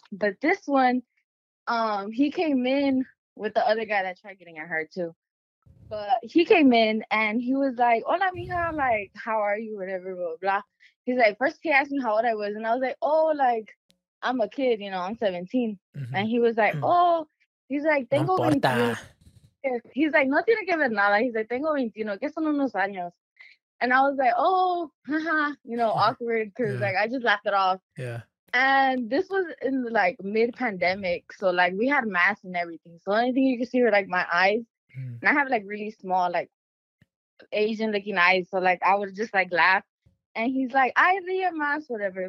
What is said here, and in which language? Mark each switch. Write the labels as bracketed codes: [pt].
[en] But this one, he came in with the other guy that tried getting at her, too. But he came in and he was like, [es] hola, mija, [en] how are you, whatever, blah, blah, blah. He's like, first he asked me how old I was. And I was like, I'm a kid, I'm 17. Mm-hmm. And he was like, he's like, [es] tengo 21. [en] He's like, [es] no tiene que ver nada. He's like, tengo 21, que son unos años. [en] And I was like, awkward. Because I just laughed it off. Yeah. And this was in mid-pandemic. So we had masks and everything. So the only thing you could see were my eyes. And I have really small Asian looking eyes, so I would just laugh, and he's like, I have your mask, whatever.